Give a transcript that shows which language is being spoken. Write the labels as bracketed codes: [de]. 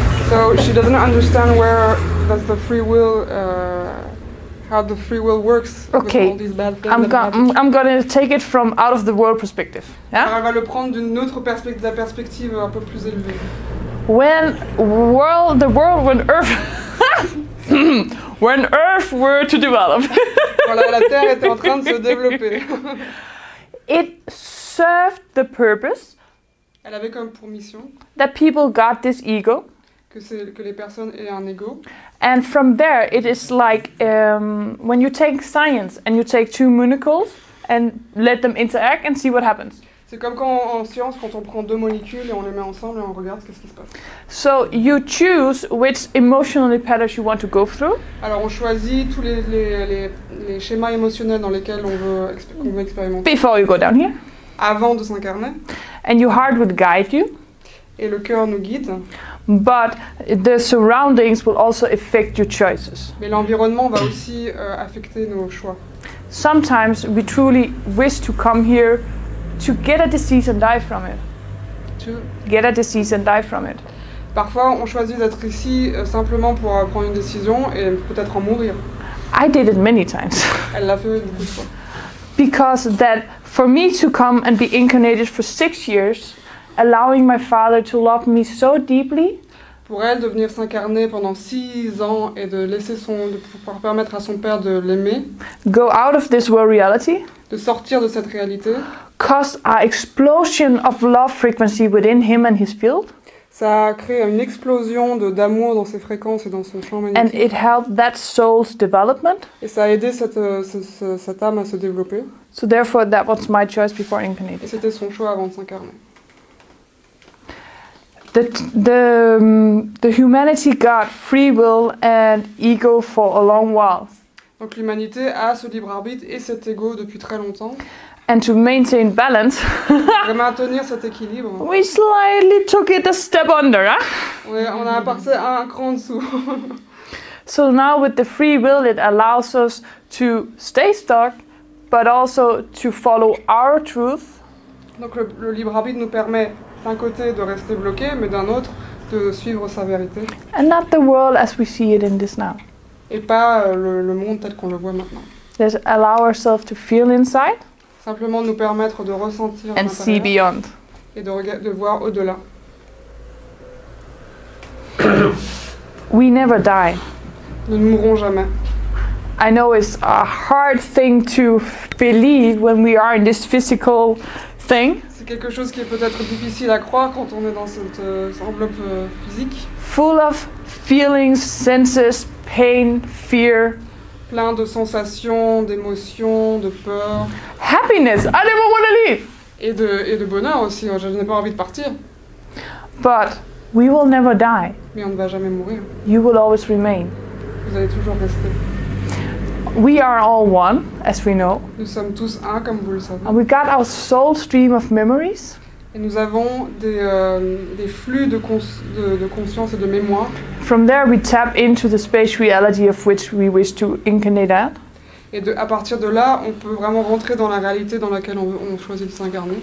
[en] so she doesn't understand where that's the free will how the free will works. Okay. With all these bad things. I'm gonna take it from out of the world perspective. Yeah? [fr] Alors, on va le prendre d'une autre perspective un peu plus élevée. [en] When the world when Earth when Earth were to develop. [fr] Voilà, la Terre était en train de se développer. [en] It served the purpose. [fr] Elle avait comme pour mission. [en] That people got this ego. [fr] Que les personnes aient un ego. [en] And from there, it is like when you take science and you take two molecules and let them interact and see what happens. [fr] C'est comme quand en science, quand on prend deux molécules et on les met ensemble et on regarde qu'est-ce qui se passe. [en] So you choose which emotional patterns you want to go through. [fr] Alors on choisit tous les schémas émotionnels dans lesquels on veut expérimenter. [en] Before you go down here. [fr] Avant de s'incarner. [en] And your heart would guide you. [fr] Et le cœur nous guide. [en] But the surroundings will also affect your choices. [fr] Mais l'environnement va aussi affecter nos choix. [en] Sometimes we truly wish to come here to get a disease and die from it. To get a disease and die from it. [fr] Parfois, on choisit d'être ici simplement pour prendre une décision et peut-être en mourir. [en] I did it many times. [fr] Elle l'a fait beaucoup de fois. [en] Because that for me to come and be incarnated for 6 years. Allowing my father to love me so deeply. [fr] Pour elle de venir s'incarner pendant 6 ans et de laisser de pouvoir permettre à son père de l'aimer. [en] Go out of this world reality. [fr] De sortir de cette réalité. [en] Cause an explosion of love frequency within him and his field. [fr] Ça a créé une explosion d'amour dans ses fréquences et dans son champ magnétique. [en] And it helped that soul's development. [fr] Et ça a aidé cette âme à se développer. [en] So therefore, that was my choice before incarnating. [fr] Et c'était son choix avant de s'incarner. [en] The humanity got free will and ego for a long while. [fr] Donc l'humanité a ce libre arbitre et cet ego depuis très longtemps. [en] And to maintain balance. [fr] Pour maintenir cet équilibre. [en] We slightly took it a step under, huh? [fr] Oui, on a passé un cran en dessous. [en] So now with the free will, it allows us to stay stuck, but also to follow our truth. [fr] Donc le libre arbitre nous permet d'un côté de rester bloqué, mais d'un autre de suivre sa vérité. [en] And not the world as we see it in this now. [fr] Et pas le monde tel qu'on le voit maintenant. [en] Just allow ourselves to feel inside. [fr] Simplement nous permettre de ressentir [en] and see beyond. [fr] Et de voir au-delà. [en] We never die. [fr] Nous ne mourrons jamais. [en] I know it's a hard thing to believe when we are in this physical thing. [fr] C'est quelque chose qui est peut-être difficile à croire quand on est dans cette enveloppe physique. [en] Full of feelings, senses, pain, fear. [fr] Plein de sensations, d'émotions, de peur. [en] Happiness, I never want to leave. [fr] Et de bonheur aussi, je n'ai pas envie de partir. [en] But we will never die. [fr] Mais on ne va jamais mourir. [en] You will always remain. [fr] Vous allez toujours rester. [en] We are all one, as we know. [fr] Nous sommes tous un, comme vous le savez. [en] And we got our soul stream of memories. [fr] Et nous avons des flux de conscience et de mémoire. [en] From there, we tap into the space reality of which we wish to incarnate at. [fr] Et à partir de là, on peut vraiment rentrer dans la réalité dans laquelle on choisit de s'incarner.